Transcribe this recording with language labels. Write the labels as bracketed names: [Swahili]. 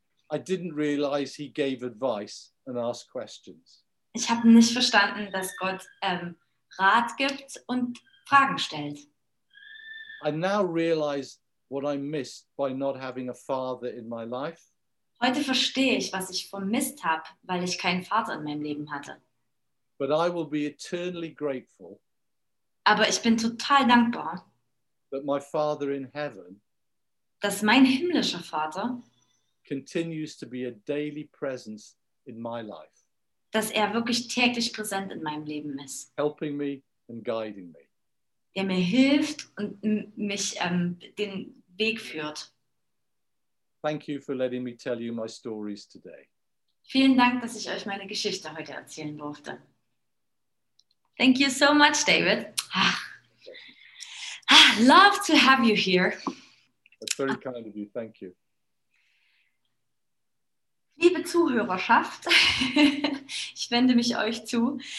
[English] I didn't realize he gave advice and asked questions. [German] Ich habe nicht verstanden, dass Gott Rat gibt und Fragen stellt. [English] I now realize what I missed by not having a father in my life. [German] Heute verstehe ich, was ich vermisst habe, weil ich keinen Vater in meinem Leben hatte. [English] But I will be eternally grateful. [German] Aber ich bin total dankbar. [English] That my father in heaven, [German] dass mein himmlischer Vater, [English] continues to be a daily presence in my life, [German] dass er wirklich täglich präsent in meinem Leben ist, [English] helping me and guiding me, [German] der mir hilft und mich den Weg führt. [English] Thank you for letting me tell you my stories today. [German] Vielen Dank, dass ich euch meine Geschichte heute erzählen durfte. [English] Thank you so much, David. Love to have you here. That's very kind of you. Thank you. [German] Liebe Zuhörerschaft, ich wende mich euch zu.